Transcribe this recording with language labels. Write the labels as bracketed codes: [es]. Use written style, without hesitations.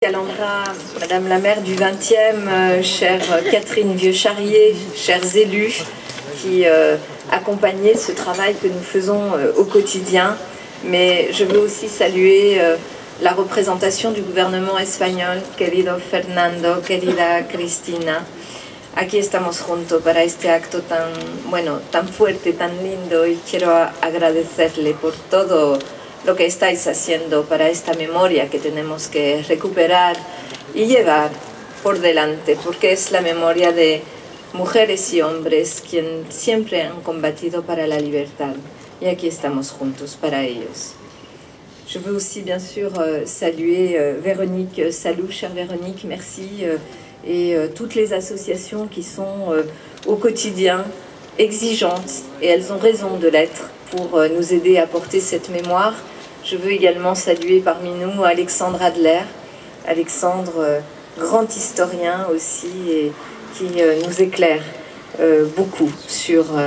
[fr] Calandra, Madame la maire du 20e, chère Catherine Vieux-Charrier, chers élus qui accompagnez ce travail que nous faisons au quotidien. Mais je veux aussi saluer la représentation du gouvernement espagnol, [es] querido Fernando, querida Cristina. Aquí estamos juntos para este acto tan, bueno, tan fuerte, tan lindo, y quiero agradecerle por todo lo que estáis haciendo para esta memoria que tenemos que recuperar y llevar por delante, porque es la memoria de mujeres y hombres quienes siempre han combatido para la libertad, y aquí estamos juntos para ellos. [fr] Je veux aussi bien sûr saluer Véronique Salou, chère Véronique, merci, et toutes les associations qui sont au quotidien exigeantes, et elles ont raison de l'être, pour nous aider à porter cette mémoire. Je veux également saluer parmi nous Alexandre Adler, Alexandre, grand historien aussi, et qui nous éclaire beaucoup sur...